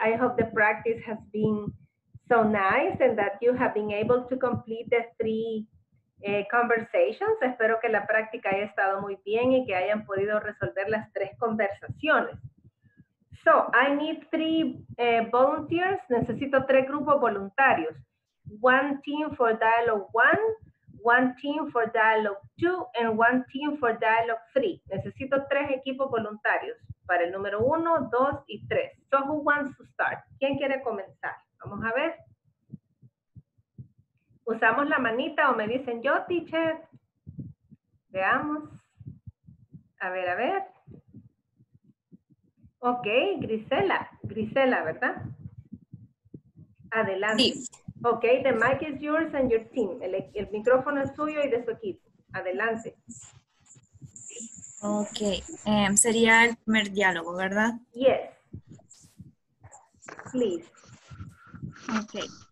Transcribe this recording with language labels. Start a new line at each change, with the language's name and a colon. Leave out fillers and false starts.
English: I hope the practice has been so nice and that you have been able to complete the three conversations.
Spanish: Espero que la práctica haya estado muy bien y que hayan podido resolver las tres conversaciones.
English: So, I need three volunteers.
Spanish: Necesito tres grupos voluntarios.
English: One team for dialogue one, one team for dialogue two, and one team for dialogue three.
Spanish: Necesito tres equipos voluntarios. Para el número 1, 2 y 3.
English: So who wants to start?
Spanish: ¿Quién quiere comenzar? Vamos a ver. ¿Usamos la manita o me dicen yo, teacher? Veamos. A ver. Ok, Grisela. Grisela, ¿verdad? Adelante. Sí.
English: Ok, the mic is yours and your team.
Spanish: El micrófono es suyo y de su equipo. Adelante. Ok, sería el primer diálogo, ¿verdad?
English: Yes. Please. Ok.